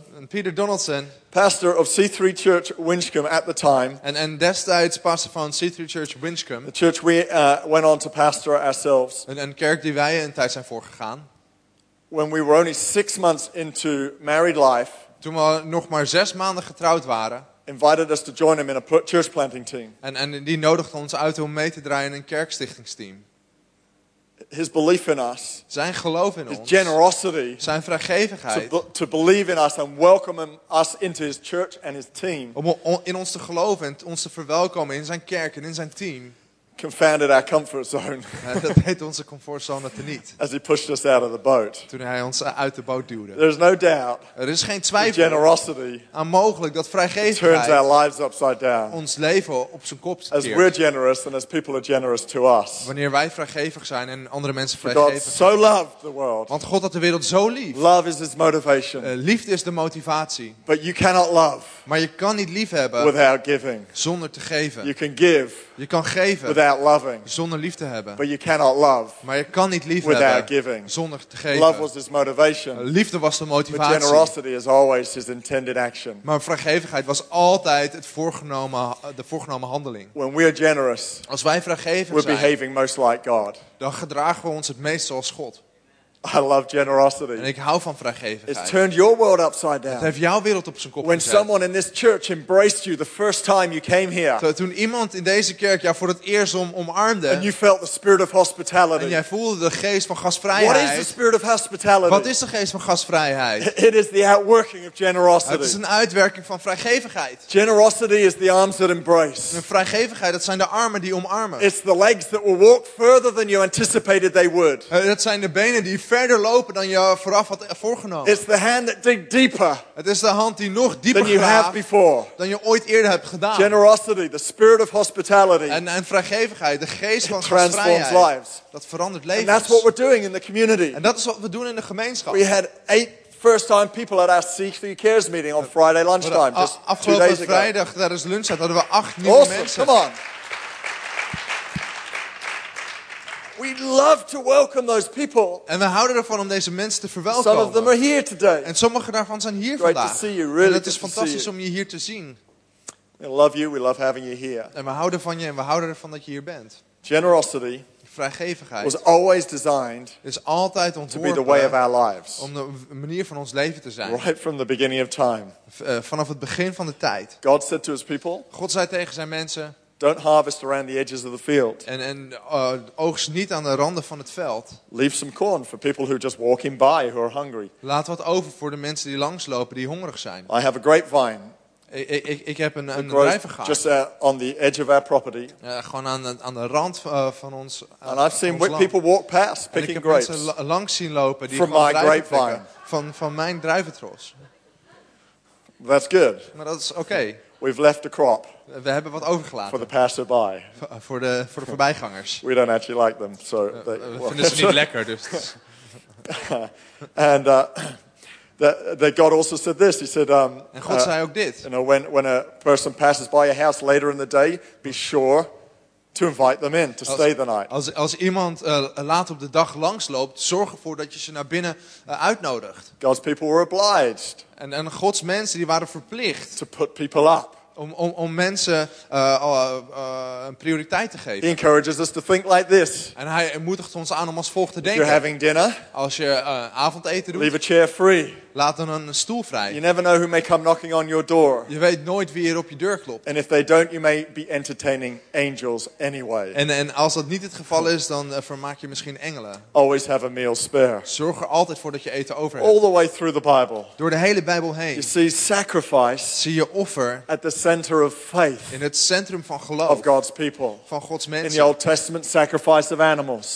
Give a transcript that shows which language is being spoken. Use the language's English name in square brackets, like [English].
[English] Peter Donaldson, pastor of C3 Church Winchcombe at the time, [Dutch] and destijds pastor van C3 Church Winchcombe, [English] the church we went on to pastor ourselves, [Dutch] een kerk die wij een tijd zijn voorgegaan, [English] when we were only 6 months into married life, [Dutch] toen we nog maar 6 maanden getrouwd waren, [English] invited us to join him in a church planting team, [Dutch] en die nodigde ons uit om mee te draaien in een kerkstichtingsteam. [English] His belief in us, [Dutch] zijn geloof in [English] his [Dutch] ons, [English] his generosity, [Dutch] zijn vrijgevigheid, [English] to believe in us and welcome us into his church and his team, [Dutch] om in ons te geloven en ons te verwelkomen in zijn kerk en in zijn team, [English] confounded our comfort zone. [Dutch] Dat deed onze comfortzone teniet. [English] As he pushed us out of the boat. [Dutch] Toen hij ons uit de boot duwde. [English] There's no doubt. [Dutch] Er is geen twijfel. [English] The generosity. [Dutch] Onmogelijk dat vrijgevigheid. [English] Turns our lives upside down. [Dutch] Ons leven op zijn kop keert. [English] As we're generous and as people are generous to us. [Dutch] Wanneer wij vrijgevig zijn en andere mensen vrijgevig. [English] God so loved the world. [Dutch] Want God had de wereld zo lief. [English] Love is his motivation. [Dutch] Liefde is de motivatie. [English] But you cannot love. [Dutch] Maar je kan niet lief hebben. [English] Without giving. [Dutch] Zonder te geven. [English] You can give. [Dutch] Je kan geven [English] without loving. [Dutch] Zonder liefde hebben. [English] But you cannot love. [Dutch] Maar je kan niet lief [English] without [Dutch] hebben [English] giving. [Dutch] Zonder te geven. [English] Love was his motivation. [Dutch] Liefde was de motivatie. [English] But generosity is always his intended action. [Dutch] Maar vrijgevigheid was altijd het voorgenomen, de voorgenomen handeling. [English] When we are generous, [Dutch] als wij vrijgevig [English] we're behaving [Dutch] zijn, [English] most like God. [Dutch] Dan gedragen we ons het meest zoals God. [English] I love generosity. [Dutch] En ik hou van vrijgevigheid. [English] It's turned your world upside down. [Dutch] Het heeft jouw wereld op zijn kop [English] when [Dutch] gezet. [English] Someone in this church embraced you the first time you came here. [Dutch] Toen iemand in deze kerk jou voor het eerst omarmde. [English] And you felt the spirit of hospitality. [Dutch] En jij voelde de geest van gastvrijheid. [English] What is the spirit of hospitality? [Dutch] Wat is de geest van gastvrijheid? [English] It is the outworking of generosity. [Dutch] Het is een uitwerking van vrijgevigheid. [English] Generosity is the arms that embrace. [Dutch] En vrijgevigheid, dat zijn de armen die omarmen. [English] It's the legs that will walk further than you anticipated they would. [Dutch] Dat zijn de benen die verder lopen dan je vooraf had voorgenomen. [English] It's the hand that dig deeper. [Dutch] Het is de hand die nog dieper [English] than you have before. [Dutch] Dan je ooit eerder hebt gedaan. [English] Generosity, the spirit of hospitality. [Dutch] En vrijgevigheid, de geest van gastvrijheid. [English] Lives. [Dutch] Dat verandert levens. [English] And that's what we're doing in the community. [Dutch] En dat is wat we doen in de gemeenschap. [English] We had 8 first time people at our Seek for Your Cares meeting on Friday lunchtime. [Dutch] Afgelopen vrijdag tijdens lunchtijd hadden we 8 nieuwe [English] awesome. [Dutch] Mensen. [English] Come on. We love to welcome those people. [Dutch] En we houden ervan om deze mensen te verwelkomen. [English] Some of them are here today. [Dutch] En sommige daarvan zijn hier [English] great [Dutch] vandaag. [English] To see you. Really [Dutch] en het is fantastisch om je hier te zien. [English] We love you. We love having you here. [Dutch] En we houden van je en we houden ervan dat je hier bent. [English] Generosity. [Dutch] Vrijgevigheid. [English] Was always designed. [Dutch] Is altijd ontworpen. [English] To be the way of our lives. [Dutch] Om de manier van ons leven te zijn. [English] Right from the beginning of time. [Dutch] Vanaf het begin van de tijd. [English] God said to his people. [Dutch] God zei tegen zijn mensen. [English] Don't harvest around the edges of the field. [Dutch] En oogst niet aan de randen van het veld. [English] Leave some corn for people who are just walking by who are hungry. [Dutch] Laat wat over voor de mensen die langslopen die hongerig zijn. [English] I have a grapevine. [Dutch] Ik heb een druivengaard. [English] Just on the edge of our property. [Dutch] Gewoon aan de rand van ons. [English] And I've seen people walk past picking grapes. [Dutch] En ik heb mensen langs zien lopen die [English] from my grapevine. [Dutch] Van mijn druiventros. [English] That's good. [Dutch] Maar dat is oké. [English] We've left a crop. [Dutch] We hebben wat overgelaten. [English] For the passerby. [Dutch] Voor de voorbijgangers. [English] We don't actually like them, so. They, well. [Dutch] We vinden ze niet lekker, dus. [English] And that God also said this. He said. [Dutch] En God zei ook dit. [English] You know, when a person passes by your house later in the day, be sure to invite them in to stay the night. [Dutch] Als iemand laat op de dag langsloopt, zorg ervoor dat je ze naar binnen uitnodigt. [English] God's people were obliged. [Dutch] En Gods mensen die waren verplicht. [English] To put people up. [Dutch] Om mensen een prioriteit te geven. [English] He encourages us to think like this. [Dutch] En hij moedigt ons aan om als volgt te denken. [English] If you're having dinner, [Dutch] als je avondeten doet. [English] Leave a chair free. [Dutch] Laat dan een stoel vrij. [English] You never know who may come knocking on your door. [Dutch] Je weet nooit wie er op je deur klopt. [English] And if they don't, you may be entertaining angels anyway. [Dutch] En als dat niet het geval is, dan vermaak je misschien engelen. [English] Always have a meal spare. [Dutch] Zorg er altijd voor dat je eten over hebt. [English] All the way through the Bible. [Dutch] Door de hele Bijbel heen. [English] You see sacrifice. [Dutch] Zie je offer. [English] At the center of faith. [Dutch] In het centrum van geloof. [English] Of God's people. [Dutch] Van Gods mensen. [English] In the Old Testament, sacrifice of animals.